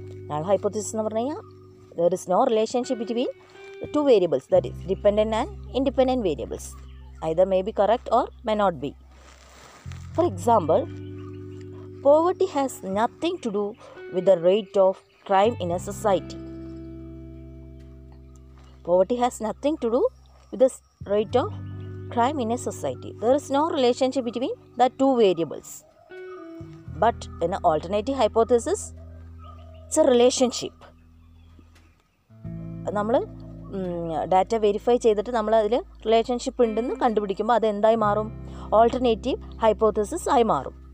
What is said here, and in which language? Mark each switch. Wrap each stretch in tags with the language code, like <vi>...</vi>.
<en>null hypothesis</en> <ml>എന്ന് പറഞ്ഞു കഴിഞ്ഞാൽ</ml> <en>There is no relationship between two variables, that is dependent and independent variables. Either may be correct or may not be. For example, poverty has nothing to do with the rate of crime in a society. Poverty has nothing to do with the rate of crime in a society. There is no relationship between the two variables. But in an alternative hypothesis, it's a relationship.</en> <ml>നമ്മൾ data verify ചെയ്തിട്ട് നമ്മൾ അതിൽ relationship ഉണ്ടെന്ന് കണ്ടുപിടിക്കുമ്പോൾ അതെന്തായി മാറും? Alternative hypothesis ആയി മാറും.</ml>